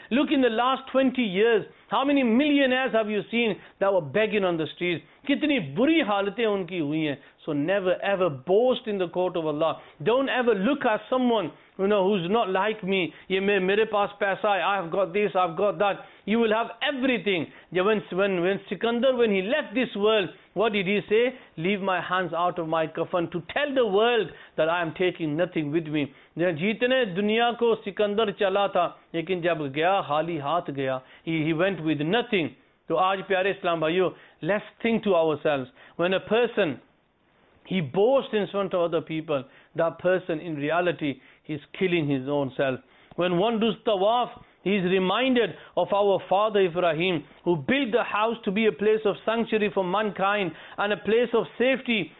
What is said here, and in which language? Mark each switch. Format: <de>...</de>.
<en>Look in the last 20 years. How many millionaires have you seen that were begging on the streets?</en> <ur>کتنی بری حالتیں ان کی ہوئی ہیں۔</ur> <en>So never ever boast in the court of Allah. Don't ever look at someone, you know, who's not like me.</en> <ur>یہ میرے پاس پیسہ ہے۔</ur> <en>I've got this, I've got that. You will have everything. When Sikandar, when he left this world, what did he say? "Leave my hands out of my coffin to tell the world that I am taking nothing with me."</en> <ur>جتنے دنیا کو سکندر چلا تھا، لیکن جب گیا، خالی ہاتھ گیا،</ur> <en>he went with nothing. So</en> <ur>aaj pyare Islam bhaiyo,</ur> <en>let's think to ourselves. When a person, he boasts in front of other people, that person in reality, he's killing his own self. When one does tawaf, he is reminded of our father Ibrahim, who built the house to be a place of sanctuary for mankind and a place of safety.</en>